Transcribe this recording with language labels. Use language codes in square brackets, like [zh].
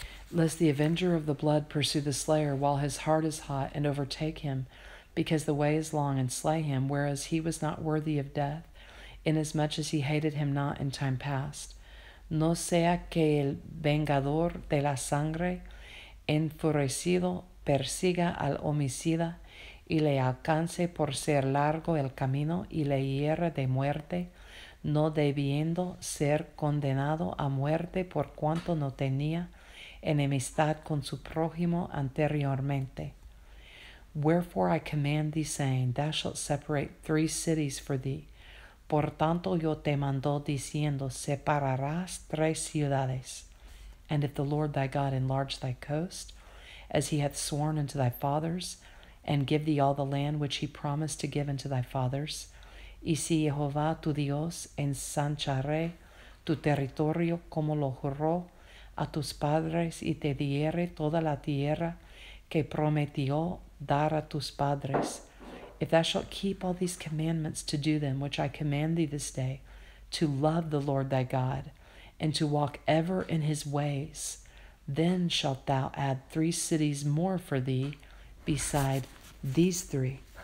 [en] Lest the avenger of the blood pursue the slayer while his heart is hot and overtake him, because the way is long, and slay him, whereas he was not worthy of death, inasmuch as he hated him not in time past. [es] No sea que el vengador de la sangre enfurecido persiga al homicida y le alcance por ser largo el camino y le hiera de muerte, no debiendo ser condenado a muerte por cuanto no tenía enemistad con su prójimo anteriormente. [en] Wherefore I command thee, saying, thou shalt separate three cities for thee. [es] Por tanto yo te mando diciendo, separarás tres ciudades. [en] And if the Lord thy God enlarge thy coast, as he hath sworn unto thy fathers, and give thee all the land which he promised to give unto thy fathers, [es] y si Jehová tu Dios ensanchare tu territorio como lo juró a tus padres y te diere toda la tierra que prometió dar a tus padres. [en] If thou shalt keep all these commandments to do them, which I command thee this day, to love the Lord thy God, and to walk ever in his ways, then shalt thou add three cities more for thee beside these three.